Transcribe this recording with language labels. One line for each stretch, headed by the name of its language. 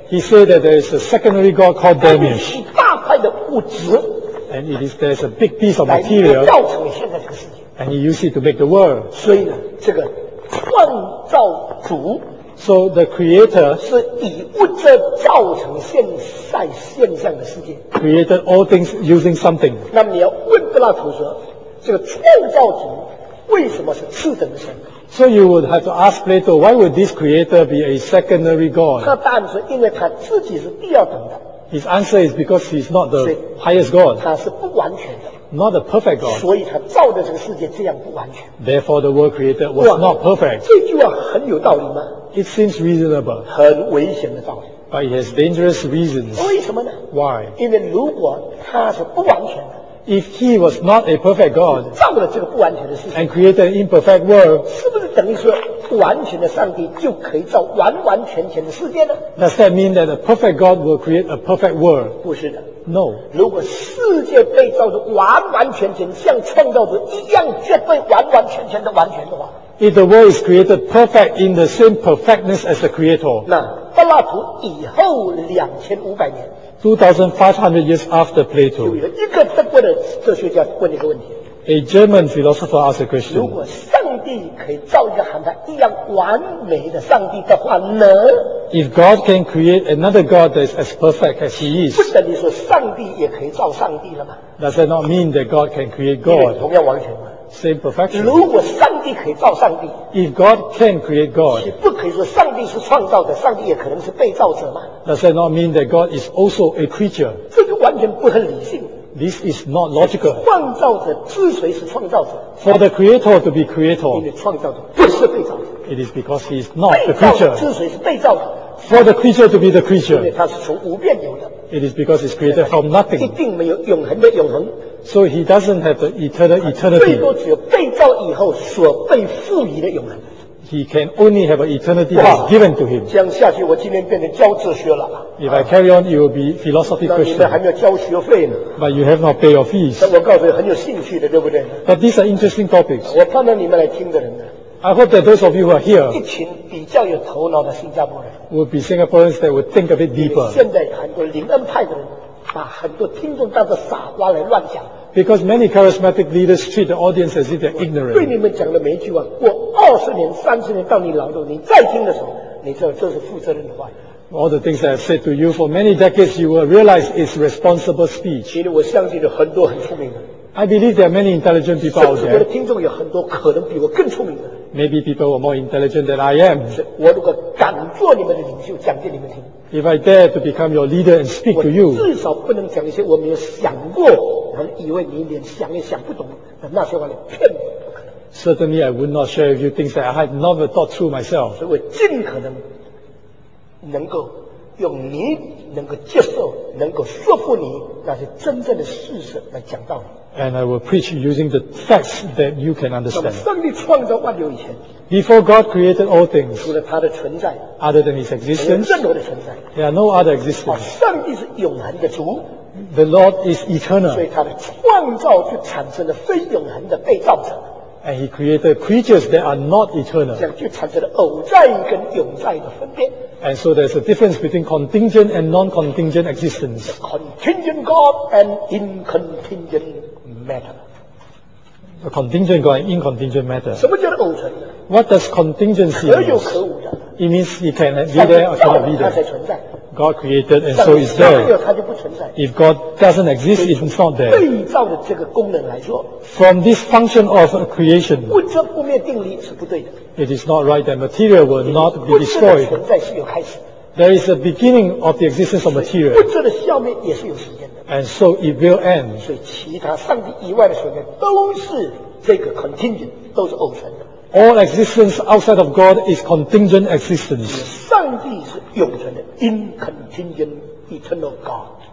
English: He said that there is a secondary God called Demiurge.
Chinese: 是大块的物质。
English: And it is, there is a big piece of material.
Chinese: 来造成现在这个世界。
English: And he used it to make the world.
Chinese: 所以呢，这个创造主。
English: So the creator
Chinese: 是以物质造成现在现象的世界。
English: Created all things using something.
Chinese: 那么你要问柏拉图说，这个创造主为什么是次等的神
English: ？So you would have to ask Plato, why would this creator be a secondary god?
Chinese: 他答案是因为他自己是第二等的。
English: His answer is because he's not the highest god.
Chinese: 他是不完全的。
English: Not a perfect God.
Chinese: 所以他造的这个世界这样不完全。
English: Therefore, the world created was not perfect.
Chinese: 这句话很有道理吗？
English: It seems reasonable.
Chinese: 很危险的道理。
English: But it has dangerous reasons.
Chinese: 为什么呢？
English: Why?
Chinese: 因为如果他是不完全的。
English: If he was not a perfect God.
Chinese: 造了这个不完全的世界。
English: And created an imperfect world.
Chinese: 是不是等于说不完全的上帝就可以造完完全全的世界呢？
English: Does that mean that a perfect God will create a perfect world?
Chinese: 不是的。
English: No.
Chinese: 如果世界被造得完完全全，像创造者一样绝对完完全全的完全的话，
English: If the world is created perfect in the same perfectness as the creator,
Chinese: 那柏拉图以后2500年
English: 2500 years after Plato,
Chinese: 就有一个德国的哲学家问一个问题。
English: A German philosopher asked a question.
Chinese: 如果上帝可以造一个和他一样完美的上帝的话呢？
English: If God can create another God that is as perfect as he is.
Chinese: 不等于说上帝也可以造上帝了吗？
English: Does that not mean that God can create God?
Chinese: 同样完全吗？
English: Same perfection.
Chinese: 如果上帝可以造上帝，
English: If God can create God,
Chinese: 岂不可以说上帝是创造者，上帝也可能是被造者吗？
English: Does that not mean that God is also a creature?
Chinese: 这个完全不很理性。
English: This is not logical.
Chinese: 创造者之谁是创造者？
English: For the creator to be creator.
Chinese: 因为创造者不是被造者。
English: It is because he is not the creature.
Chinese: 被造者之谁是被造者？
English: For the creature to be the creature.
Chinese: 因为他是从无变有的。
English: It is because it's created from nothing.
Chinese: 一定没有永恒的永恒。
English: So he doesn't have the eternal eternity.
Chinese: 最多只有被造以后所被赋予的永恒。
English: He can only have an eternity that is given to him.
Chinese: 这样下去，我今天变成教哲学了。
English: If I carry on, you will be philosophy question.
Chinese: 那你们还没有交学费呢。
English: But you have not pay your fees.
Chinese: 我告诉你很有兴趣的，对不对
English: ？But these are interesting topics.
Chinese: 我盼望你们来听的人呢。
English: I hope that those of you who are here
Chinese: 一群比较有头脑的新加坡人
English: will be Singaporeans that would think a bit deeper.
Chinese: 现在很多灵恩派的人把很多听众当作傻瓜来乱讲。
English: Because many charismatic leaders treat the audience as if they're ignorant.
Chinese: 对你们讲的每一句话，过二十年、三十年，到你老了，你再听的时候，你知道这是负责任的话。
English: All the things that I've said to you for many decades, you will realize it's responsible speech.
Chinese: 其实我相信有很多很聪明的。
English: I believe there are many intelligent people out there.
Chinese: 甚至我的听众有很多可能比我更聪明的。
English: Maybe people are more intelligent than I am.
Chinese: 我如果敢做你们的领袖，讲给你们听。
English: If I dare to become your leader and speak to you,
Chinese: 我至少不能讲一些我没有想过，然后以为你连想也想不懂的那些话来骗我。
English: Certainly, I would not share with you things that I had never thought through myself.
Chinese: 所以我尽可能能够用你能够接受、能够说服你那些真正的事实来讲道理。
English: And I will preach using the facts that you can understand.
Chinese: 上帝创造万有以前
English: Before God created all things,
Chinese: 除了他的存在
English: other than his existence,
Chinese: 任何的存在
English: there are no other existence.
Chinese: 上帝是永恒的主
English: The Lord is eternal.
Chinese: 所以他的创造就产生了非永恒的被造者
English: And he created creatures that are not eternal.
Chinese: 这样就产生了偶在跟永在的分别
English: And so there's a difference between contingent and non-contingent existence. Contingent God and incontingent God. Matter. A contingent God and incontingent matter.
Chinese: 什么叫做偶存
English: What does contingency
Chinese: mean? 可有可无的
English: It means he can be there or cannot be there. God created and so is there. If God doesn't exist, it's not there.
Chinese: 被造的这个功能来说
English: From this function of creation,
Chinese: 物质不灭定理是不对的
English: It is not right that material will not be destroyed.
Chinese: 物质的存在是有开始
English: There is a beginning of the existence of material.
Chinese: 物质的消灭也是有时间的
English: And so it will end.
Chinese: 所以其他上帝以外的存在都是这个 contingent, 都是偶存的。
English: All existence outside of God is contingent existence.
Chinese: 上帝是永存的 ,
English: incontingent, eternal God.